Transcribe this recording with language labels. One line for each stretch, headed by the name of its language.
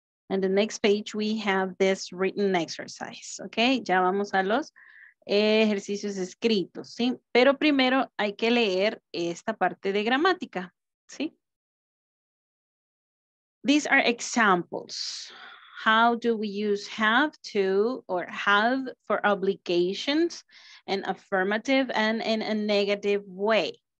English: And the next page we have this written exercise.
Spanish: Okay, ya vamos a los ejercicios escritos, ¿sí? Pero primero hay que leer esta parte de gramática, ¿sí?
English: These are examples. How do we use have to or have for obligations in affirmative and in a negative way?